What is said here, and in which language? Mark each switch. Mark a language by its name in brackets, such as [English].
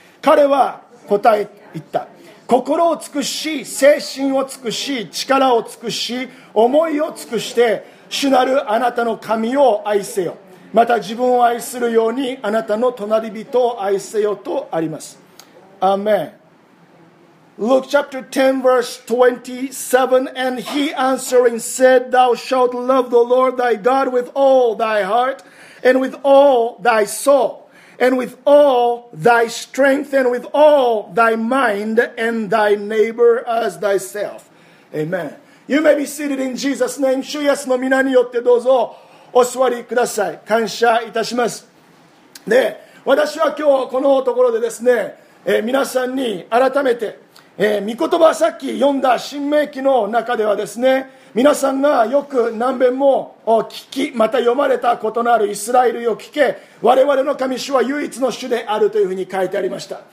[Japanese] 彼は答え言った。心を尽くし、精神を尽くし、力を尽くし、思いを尽くして主なるあなたの神を愛せよ。また自分を愛するようにあなたの隣人を愛せよとあります。アーメン。 [English] Luke chapter 10 verse 27 And he answering said, Thou shalt love the Lord thy God with all thy heart and with all thy soulAnd with all thy strength, and with all thy mind, and thy neighbor as thyself. Amen. You may be seated in Jesus' name. [Japanese] 主イエスの皆によってどうぞお座りください。感謝いたします。で、私は今日このところでですね、皆さんに改めて、御言葉、さっき読んだ申命記の中ではですね、皆さんがよく何遍も聞き、また読まれたことのあるイスラエルよ聞け、我々の神主は唯一の主であるというふうに書いてありました。